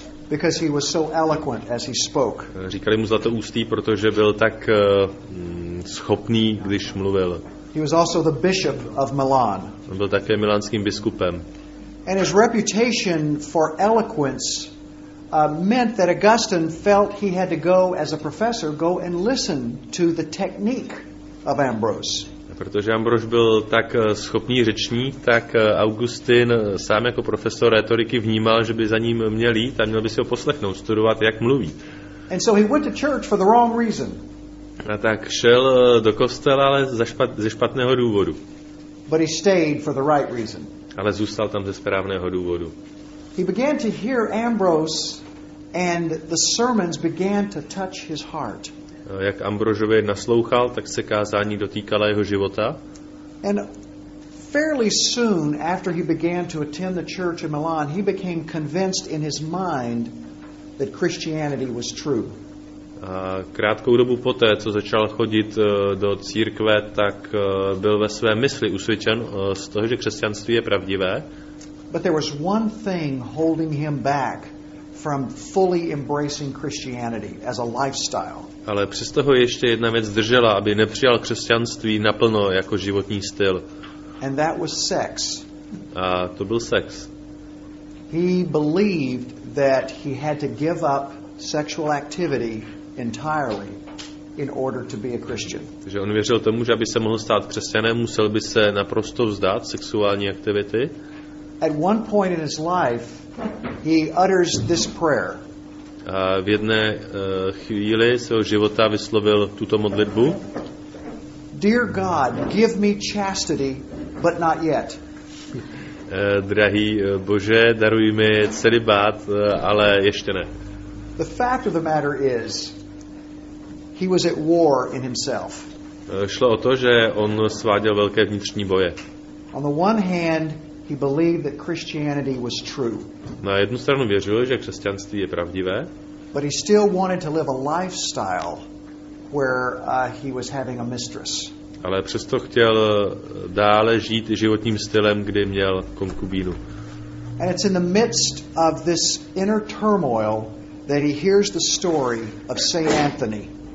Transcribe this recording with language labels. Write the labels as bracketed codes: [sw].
[en] Because he was so eloquent as he spoke. [cs] Říkali mu zlatoústý, protože byl tak schopný, když mluvil. [en] He was also the bishop of Milan. [cs] On byl také milánským biskupem. [en] And his reputation for eloquence meant that Augustine felt he had to go as a professor, go and listen to the technique of Ambrose. [cs] Protože Ambrose byl tak schopný řečník, tak Augustin sám jako profesor retoriky vnímal, že by za ním měl jít a měl by si ho poslechnout, studovat, jak mluví. [en] And so he went to church for the wrong reason. [cs] A tak šel do kostela, ale ze špatného důvodu. [en] But he stayed for the right reason. [cs] Ale zůstal tam ze správného důvodu. [en] He began to hear Ambrose and the sermons began to touch his heart. [cs] Jak Ambrožově naslouchal, tak se kázání dotýkala jeho života. [en] And fairly soon after he began to attend the church in Milan, he became convinced in his mind that Christianity was true. [cs] A krátkou dobu poté, co začal chodit do církve, tak byl ve své mysli usvědčen z toho, že křesťanství je pravdivé. [en] But there was one thing holding him back from fully embracing Christianity as a lifestyle. [cs] Ale přesto ho ještě jedna věc držela, aby nepřijal křesťanství naplno jako životní styl. [en] And that was sex. [cs] A to byl sex. [en] He believed that he had to give up sexual activity entirely in order to be a Christian. [cs] Takže on věřil tomu, že aby se mohl stát křesťanem, musel by se naprosto vzdát sexuální aktivity. [en] At one point in his life, he utters this prayer. [cs] A v jedné chvíli svého života vyslovil tuto modlitbu. [en] Dear God, give me chastity, but not yet. [cs] Drahý Bože, daruj mi celibát, ale ještě ne. [en] The fact of the matter is, he was at war in himself. [cs] Šlo o to, že on sváděl velké vnitřní boje. [en] On the one hand, he believed that Christianity was true. [cs] Na jednu stranu věřil, že křesťanství je pravdivé. [en] But he still wanted to live a lifestyle where he was having a mistress. [cs] Ale přesto chtěl dále žít životním stylem, kdy měl konkubínu. [en] And it's in the midst of this inner turmoil that he hears the story of Saint Anthony.